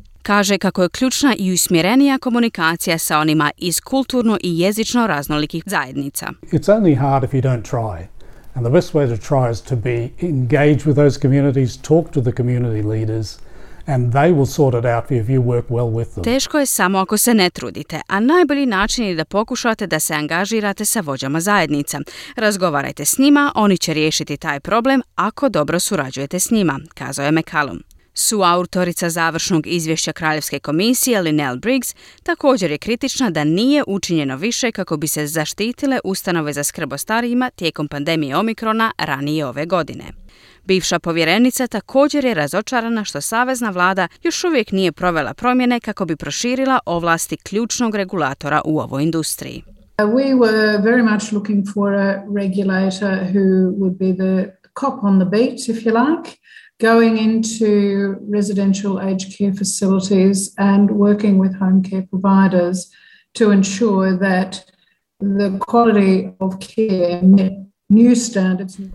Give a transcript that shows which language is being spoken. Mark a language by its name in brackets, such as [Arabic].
[Croatian] Kaže kako je ključna i usmjerenija komunikacija sa onima iz kulturno i jezično raznolikih zajednica. [English] It's only hard if you don't try. And the best way to try is to be engaged with those communities, talk to the community leaders, and they will sort it out if you work well with them. [Croatian] Teško je samo ako se ne trudite, a najbolji način je da pokušate da se angažirate sa vođama zajednica. Razgovarajte s njima, oni će riješiti taj problem ako dobro surađujete s njima, kazao je McCallum. Suautorica završnog izvješća Kraljevske komisije Linnell Briggs također je kritična da nije učinjeno više kako bi se zaštitile ustanove za skrb o starijima tijekom pandemije Omikrona ranije ove godine. Bivša povjerenica također je razočarana što savezna vlada još uvijek nije provela promjene kako bi proširila ovlasti ključnog regulatora u ovoj industriji. [English] We were very much looking for a regulator who would be the cop on the beat, if you like, going into residential aged care facilities and working with home care providers to ensure that the quality of care met new standards.